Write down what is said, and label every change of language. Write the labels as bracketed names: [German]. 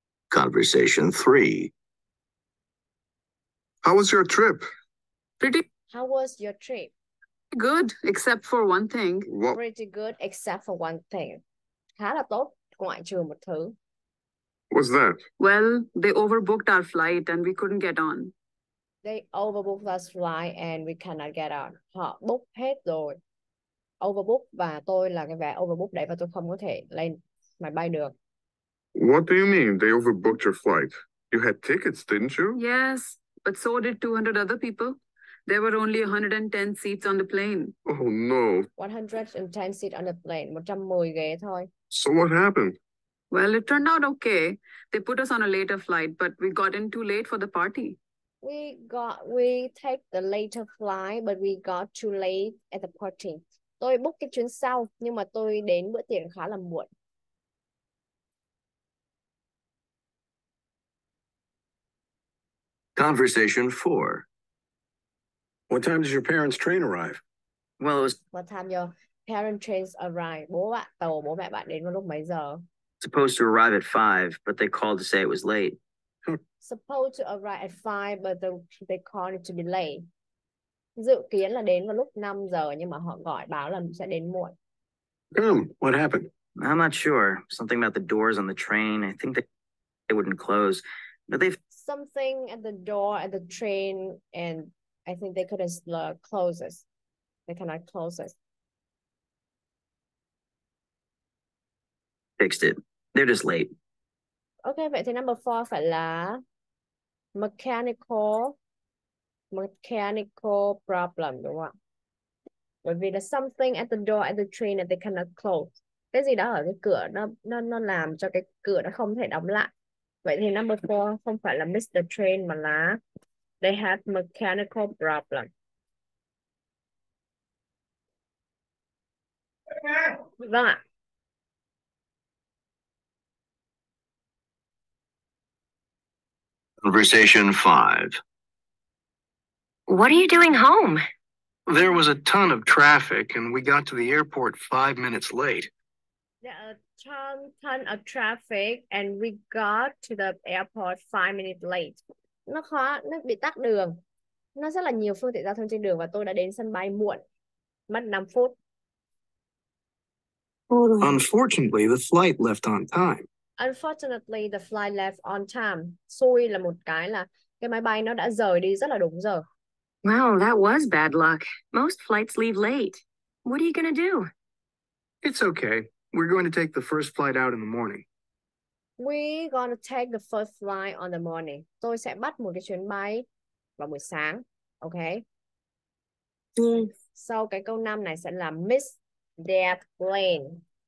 [English] Conversation 3. How was your trip? Pretty. How was your trip? Good, except for one thing. What? Pretty good, except for one thing. [Vietnamese] Khá là tốt, ngoại trừ một thứ. [English] What's that? Well, they overbooked our flight and we couldn't get on. They overbooked us flight and we cannot get on. [Vietnamese] Họ book hết rồi. Overbook và tôi là cái vé overbook đấy và tôi không có thể lên máy bay được. [English] What do you mean they overbooked your flight? You had tickets, didn't you? Yes, but so did 200 other people. There were only 110 seats on the plane. Oh no. 110 seats on the plane. [Vietnamese] 110 ghế thôi. [English] So what happened? Well, it turned out okay. They put us on a later flight, but we got in too late for the party. We take the later flight, but we got too late at the party. [Vietnamese] Tôi book cái chuyến sau, nhưng mà tôi đến bữa tiệc khá là muộn. [English] Conversation 4. What time does your parents' train arrive? Well, it was... What time your parents' trains arrive? [Vietnamese] Bố mẹ bạn đến vào lúc mấy giờ? [English] Supposed to arrive at 5, but they called to say it was late. Supposed to arrive at 5, but they called it to be late. [Vietnamese] Dự kiến là đến vào lúc 5 giờ, nhưng mà họ gọi báo là sẽ đến muộn. [English] What happened? I'm not sure. Something about the doors on the train. I think that they wouldn't close. But they've... Something at the door at the train, and I think they couldn't close us. They cannot close us. Fixed it. They're just late. [Vietnamese] Okay, vậy thì number 4 phải là [English] mechanical problem, [Vietnamese] đúng không? Bởi vì là [English] something at the door at the train and they cannot close. [Vietnamese] Cái gì đó ở cái cửa nó làm cho cái cửa nó không thể đóng lại. Vậy thì [English] number 4 [Vietnamese] không phải là [English] miss the train [Vietnamese] mà là [English] they have mechanical problem. [Vietnamese] Vâng ạ. [English] Conversation 5. What are you doing home? There was a ton of traffic and we got to the airport 5 minutes late. There was a ton of traffic and we got to the airport 5 minutes late. [Vietnamese] Nó bị tắc đường. Nó rất là nhiều phương tiện giao thông trên đường và tôi đã đến sân bay muộn. Mất 5 phút. [English] Unfortunately, the flight left on time. Unfortunately, the flight left on time. [Vietnamese] Xui là một cái máy bay nó đã rời đi rất là đúng giờ. [English] Wow, that was bad luck. Most flights leave late. What are you going to do? It's okay. We're going to take the first flight out in the morning. We're going to take the first flight on the morning. [Vietnamese] Tôi sẽ bắt một cái chuyến bay vào buổi sáng. Okay? Sau cái câu 5 này sẽ là [English] miss their plane.